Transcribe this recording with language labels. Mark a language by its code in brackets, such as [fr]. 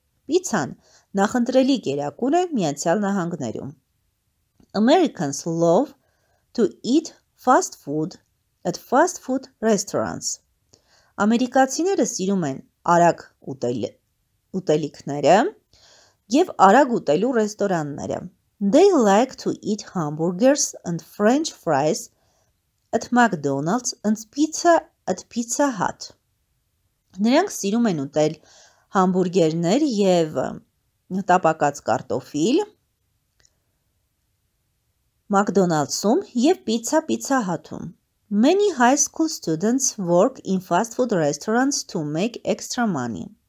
[hy] Պիցան նախընտրելի կերակուր է Միացյալ Նահանգներում։ [en] Americans love to eat fast food at fast food restaurants. [hy] Ամերիկացիները սիրում են արագ ուտելիքները և արագ ուտելու ռեստորանները. [en] They like to eat hamburgers and french fries at McDonald's and pizza at Pizza Hut. [hy] Նրանք սիրում են ուտել համբուրգերներ և տապակած կարտոֆիլ McDonald's-ում և Pizza Hut-ում. [en] Many high school students work in fast food restaurants to make extra money.